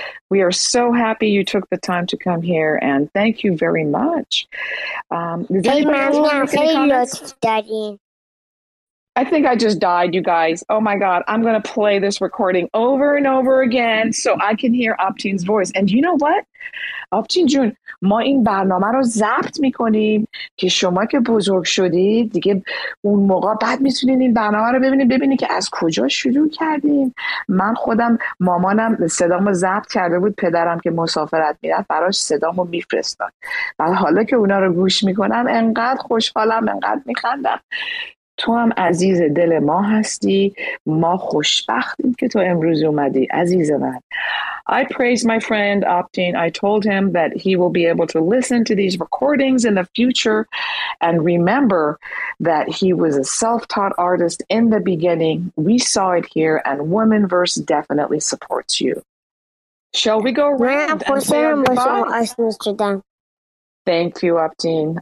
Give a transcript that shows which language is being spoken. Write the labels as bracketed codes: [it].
[en] We are so happy you took the time to come here and thank you very much. Hey, Mommy, I'm saying you're studying. I think I just died, you guys. Oh, my God. I'm going to play this recording over and over again so I can hear Abdin's voice. And you know what? [fa] Abdin Jun, ما این برنامه رو ضبط میکنیم که شما که بزرگ شدید دیگه اون موقع بعد میتونید این برنامه رو ببینید که از کجا شروع کردیم من خودم مامانم صدامو ضبط کرده بود پدرم که مسافرت میرفت براش صدامو میفرستاد حالا که اونا رو گوش میکنم انقدر خوشحالم انقدر میخندم تو هم عزیز دل ما هستی. ما خوشبختیم که تو امروز اومدی عزیز من. [en] I praise my friend Optin. I told him that he will be able to listen to these recordings in the future and remember that he was a self-taught artist in the beginning. We saw it here, and WOMENverse definitely supports you. Shall we go around and say our goodbyes? Thank you, Optin.